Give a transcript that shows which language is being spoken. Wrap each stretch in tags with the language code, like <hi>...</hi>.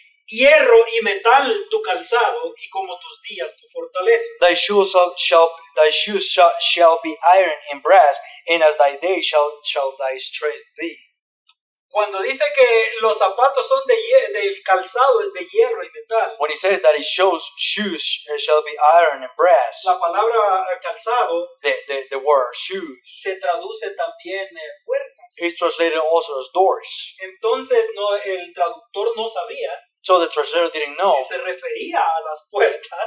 <es>Hierro y metal tu calzado y como tus días tu fortaleza.</es> <en>Thy shoes shall be iron and brass, and as thy day shall thy strength be.</en> <es>Cuando dice que los zapatos son del calzado es de hierro y metal.</es> <en>When he says that his shoes shall be iron and brass.</en> <es>La palabra calzado.</es> <en>The word shoes.</en> <es>Se traduce también puertas.</es> <en>It's translated also as doors.</en> <es>Entonces no, el traductor no sabía.</es> <en>So the translator didn't know.</en> <es>Si se refería a las puertas.</es>